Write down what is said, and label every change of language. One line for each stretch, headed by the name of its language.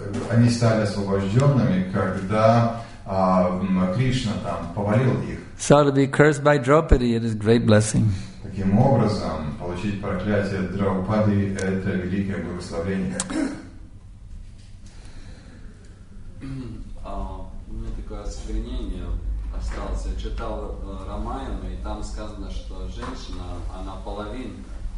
Russian: Они стали освобожденными, когда Кришна там повалил их.
English: So to be cursed by Draupadi, it is a great blessing.
Russian: Таким образом, получить проклятие Драупади – это великое благословение. У меня такое осквернение осталось. Я читал Рамаяну, и там сказано, что женщина, она половинка.